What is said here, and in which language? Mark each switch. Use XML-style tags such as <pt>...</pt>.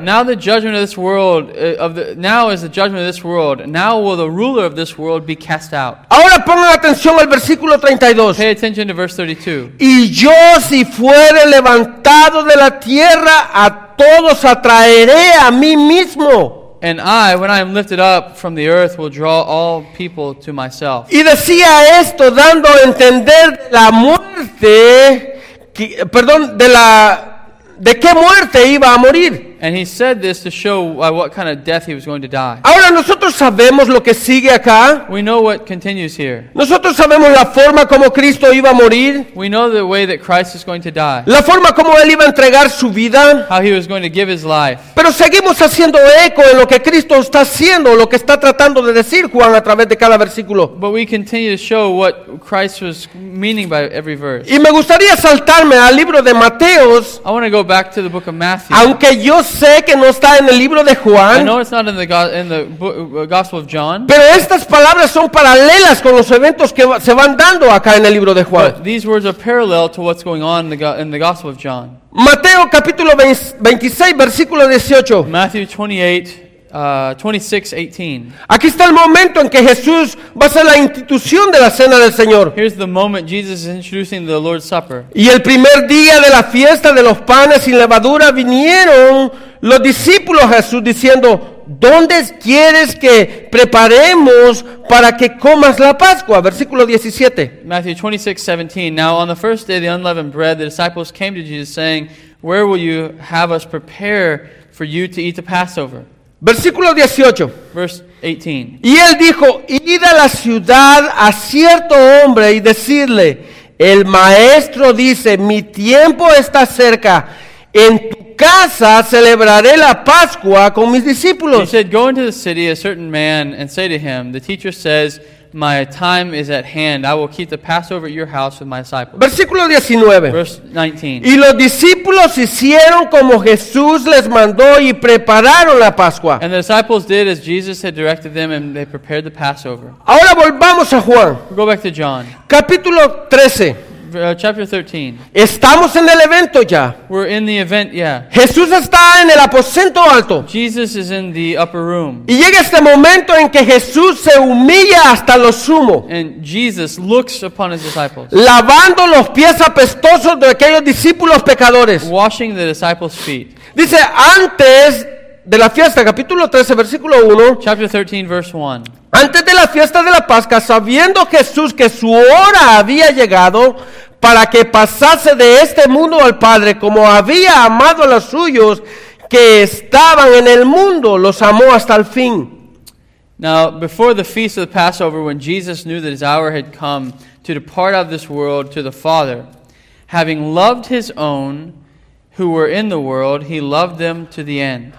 <en>Now the judgment of this world now is the judgment of this world. Now will the ruler of this world be cast out.</en> <es>Ahora pongan atención al versículo 32.</es> <en>Pay attention to verse 32.</en> <es>Y yo si fuere levantado de la tierra a todos atraeré a mí mismo.</es> <en>And I, when I am lifted up from the earth, will draw all people to myself.</en> <es>Y decía esto dando a entender la muerte. Perdón, de qué muerte iba a morir.</es> <en>And he said this to show what kind of death he was going to die.</en> <es>Ahora nosotros sabemos lo que sigue acá.</es> <en>We know what continues here.</en> <es>Nosotros sabemos la forma como Cristo iba a morir.</es> <en>We know the way that Christ is going to die.</en> <es>La forma como él iba a entregar su vida.</es> <en>How he was going to give his life.</en> <es>Pero seguimos haciendo eco en lo que Cristo está haciendo, lo que está tratando de decir Juan a través de cada versículo.</es> <en>But we continue to show what Christ was meaning by every verse.</en> <es>Y me gustaría saltarme al libro de Mateos.</es> <en>I want to go back to the book of Matthew.</en> <es>Aunque yo sé que no está en el libro de Juan.</es> <en>I know it's not in the Gospel of John.</en> <es>Pero estas palabras son paralelas con los eventos que se van dando acá en el libro de Juan.</es> <en>But these words are parallel to what's going on in the Gospel of John.</en> <es>Mateo capítulo 26 versículo 18.</es> <en>Matthew 26:18.</en> <es>Aquí está el momento en que Jesús va a ser la institución de la cena del Señor.</es> <en>Here's the moment Jesus is introducing the Lord's Supper.</en> <es>Y el primer día de la fiesta de los panes sin levadura vinieron los discípulos a Jesús diciendo, ¿dónde quieres que preparemos para que comas la Pascua? Versículo 17.</es> <en>Matthew 26:17. Now on the first day of the unleavened bread, the disciples came to Jesus saying, where will you have us prepare for you to eat the Passover?</en> <es>Versículo 18.</es> <en>Verse 18.</en> <es>Y él dijo, id a la ciudad a cierto hombre y decirle, el maestro dice, mi tiempo está cerca, en tu casa celebraré la Pascua con mis discípulos.</es> <en>He said, go into the city, a certain man, and say to him, the teacher says, My time is at hand. I will keep the Passover at your house with my disciples.</en> <es>Versículo 19.</es> <en>Verse</en> <es>19. Y los discípulos hicieron como Jesús les mandó y prepararon la Pascua.</es> <en>And the disciples did as Jesus had directed them and they prepared the Passover.</en> <es>Ahora volvamos a Juan.</es> <en>We'll go back to John.</en> <es>Capítulo 13.</es> <en>Chapter 13.</en> <es>Estamos en el evento ya.</es> <en>We're in the event, yeah.</en> <es>Jesús está en el aposento alto.</es> <en>Jesus is in the upper room.</en> <es>Y llega este momento en que Jesús se humilla hasta lo sumo.</es> <en>And Jesus looks upon his disciples.</en> <es>Lavando los pies apestosos de aquellos discípulos pecadores.</es> <en>Washing the disciples' feet.</en> <es>Dice, antes de la fiesta, capítulo 13, versículo 1.</es> <en>Chapter 13, verse 1.</en> <es>Antes de la fiesta de la Pascua, sabiendo Jesús que su hora había llegado para que pasase de este mundo al Padre, como había amado a los suyos que estaban en el mundo, los amó hasta el fin.</es> <en>Now, before the feast of the Passover, when Jesus knew that his hour had come to depart out of this world to the Father, having loved his own who were in the world, he loved them to the end.</en>